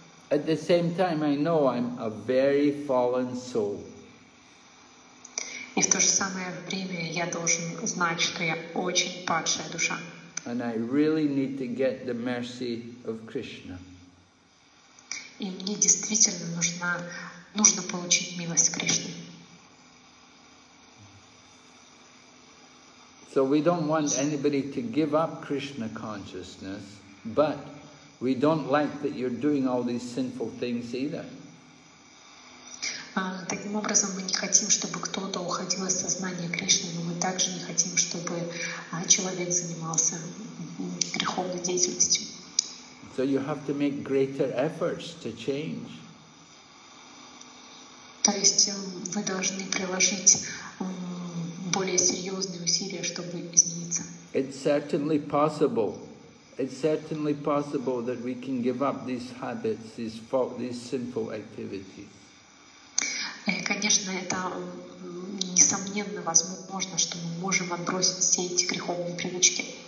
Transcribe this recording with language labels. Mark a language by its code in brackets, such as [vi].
[en] At the same time, I know I'm a very fallen soul. [ru] И в то же самое время я должен знать, что я очень падшая душа. [en] And I really need to get the mercy of Krishna. [ru] И мне действительно нужно получить милость Кришны. [en] So we don't want anybody to give up Krishna consciousness, but we don't like that you're doing all these sinful things either. [ru] Таким образом, мы не хотим, чтобы кто-то уходил из сознания Кришны, но мы также не хотим, чтобы человек занимался греховной деятельностью. [en] So you have to make greater efforts to change. [ru] То есть вы должны приложить более серьезные усилия, чтобы измениться. [en] It's certainly possible that we can give up these habits, these sinful activities. [ru] Конечно, это несомненно возможно, что мы можем отбросить все эти греховные привычки.